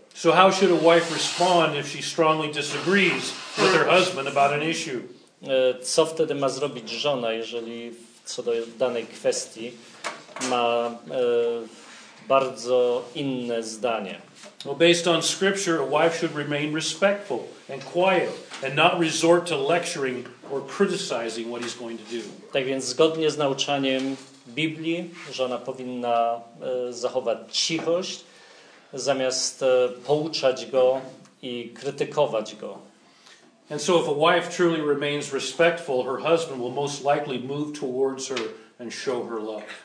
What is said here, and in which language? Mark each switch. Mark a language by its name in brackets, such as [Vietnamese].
[English] So how should a wife respond if she strongly disagrees with her husband about an issue? [Polish] Co wtedy ma zrobić żona, jeżeli co do danej kwestii ma bardzo inne zdanie? [English] Well, based on scripture, a wife should remain respectful and quiet and not resort to lecturing or criticizing what he's going to do. [Polish] Tak więc zgodnie z nauczaniem Biblii, żona powinna zachować cichość, zamiast pouczać go i krytykować go. [English] And so if a wife truly remains respectful, her husband will most likely move towards her and show her love.